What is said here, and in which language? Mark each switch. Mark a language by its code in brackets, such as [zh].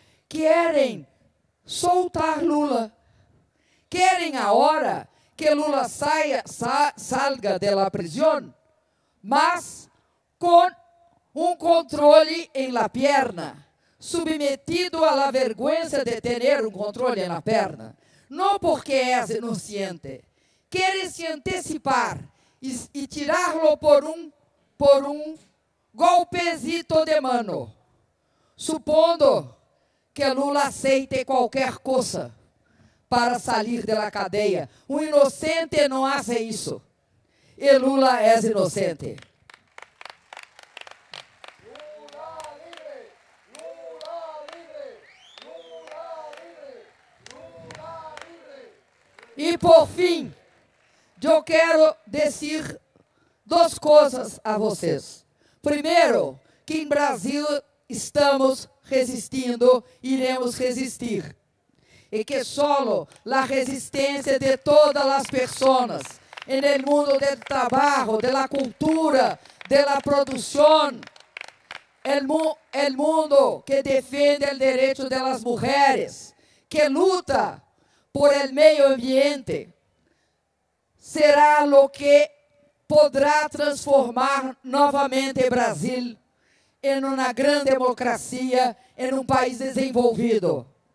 [es] Quieren soltar Lula. Quieren ahora que Lula salga de la prisión, mas con un control en la pierna, submetido a la vergüenza de tener un control en la pierna, no porque es inocente. Quiere se anticipar y tirarlo por un golpecito de mano, supondo que Lula aceite cualquier cosa para salir de la cadeia. [pt] Um inocente não faz isso. E Lula é inocente. Lula livre! Lula livre! Lula livre! Lula livre! E por fim, eu quero dizer duas coisas a vocês. Primeiro, que em Brasil estamos resistindo, iremos resistir. [es] y que solo la resistencia de todas las personas en el mundo del trabajo, de la cultura, de la producción, el mundo que defiende el derecho de las mujeres, que luta por el medio ambiente, será lo que podrá transformar nuevamente Brasil en una gran democracia, en un país desenvolvido.